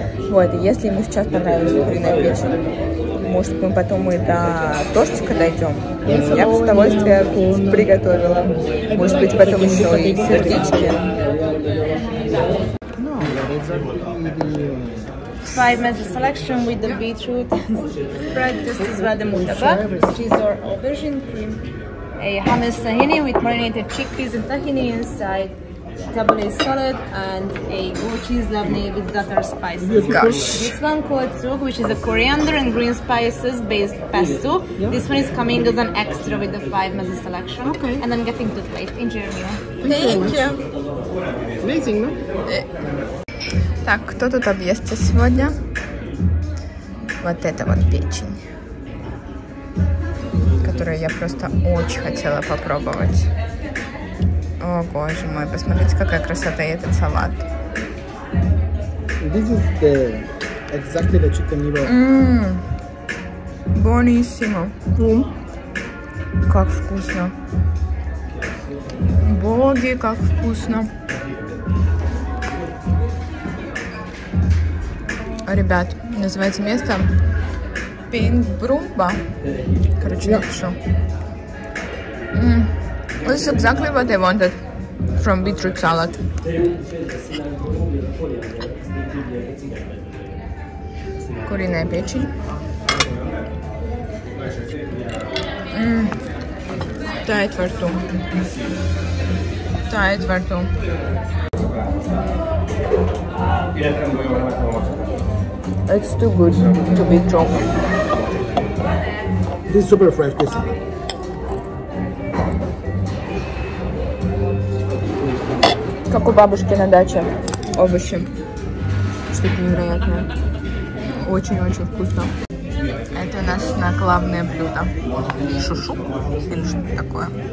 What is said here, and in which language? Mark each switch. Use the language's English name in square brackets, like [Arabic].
[Russian] Вот, если ему сейчас понравится куриная печень, может, мы потом и до тортика дойдем. Я бы с удовольствием приготовила. Может быть, потом еще и сердечки. [English] five meses selection with the beetroot spread. This is vademutabak, cheese or aubergine cream. A hummus tahini with marinated chickpeas and tahini inside. Double A salad and a goat cheese labneh with zaatar spices. Gosh. This one called sug, which is a coriander and green spices based pesto. Yeah. This one is coming as an extra with the five mezze selection. Okay. And I'm getting to taste. In Germany. Thank you. Amazing, no? [Russian] Так, кто тут объестся сегодня? Вот это вот печень, которую я просто очень хотела попробовать. О, боже мой, посмотрите, какая красота и этот салат. [English] This is the exactly the chicken meal. [Italian] Buonissimo. Mm. [Russian] Как вкусно. Боги, как вкусно. Ребят, называется место Пинбрумба. Короче, напишу. [English] This is exactly what I wanted from beetroot salad. [Russian] Куриная печень. Тает во рту. Тает во рту. [English] It's too good to be true. This is super fresh, this. [Russian] Как у бабушки на даче овощи. Что-то невероятное. Очень-очень вкусно. Это у нас главное блюдо. Шушу или что-то такое.